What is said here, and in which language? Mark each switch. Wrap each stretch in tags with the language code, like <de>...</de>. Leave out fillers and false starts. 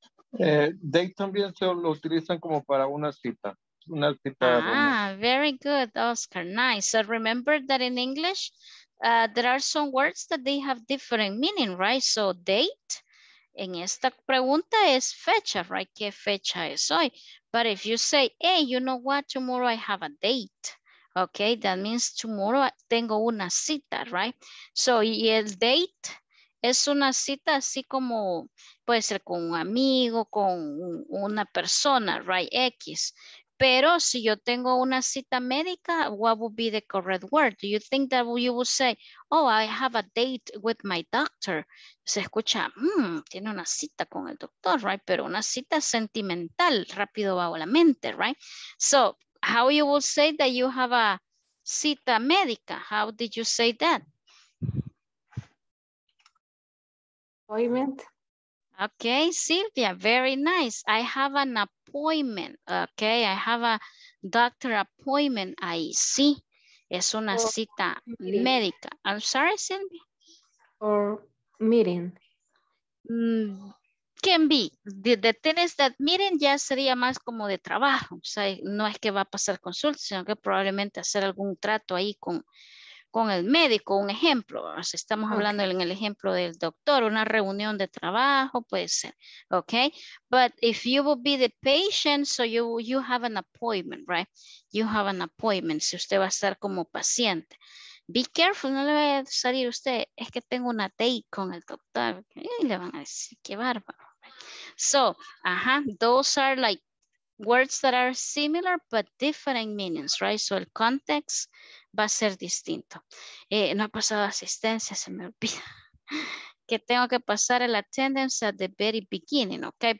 <es>Date también se lo utilizan como para una cita.</es> <en>Ah, very good, Oscar. Nice. So remember that in English, there are some words that they have different meaning, right?</en> <es>So date, en esta pregunta es fecha, right? ¿Qué fecha es hoy?</es> <en>But if you say, hey, you know what? Tomorrow I have a date. Okay, that means tomorrow</en> <es>tengo una cita,</es> <en>right?</en> <es>So y el date es una cita así como puede ser con un amigo, con una persona, right? X. Pero si yo tengo una cita médica,</es> <en>what would be the correct word? Do you think that you would say, oh, I have a date with my doctor?</en> <es>Se escucha, tiene una cita con el doctor, right? Pero una cita sentimental, rápido bajo la mente, right?</es> <en>So, how you would say that you have a</en> <es>cita médica?</es> <en>How did you say that? Appointment. Okay, Silvia, very nice. I have an appointment. Okay, I have a doctor appointment. I see.</en> <es>Es una cita médica.</es> <en>I'm sorry,</en> <es>Silvia.</es> <en>Or meeting. Can be. The thing is that meeting</en> <es>ya sería más como de trabajo. O sea, no es que va a pasar consulta, sino que probablemente hacer algún trato ahí con el médico, un ejemplo, o sea, estamos okay. Hablando en el ejemplo del doctor, una reunión de trabajo puede ser, okay?</es> <en>But if you will be the patient, so you have an appointment, right? You have an appointment,</en> <es>si usted va a estar como paciente. Be careful, no le vaya a salir usted, es que tengo una date con el doctor, y le van a decir, qué bárbaro.</es> <en>So, those are like words that are similar but different meanings, right?</en> <es>So el context va a ser distinto. No ha pasado asistencia, se me olvida. Que tengo que pasar el</es> <en>attendance at the very beginning, okay?</en>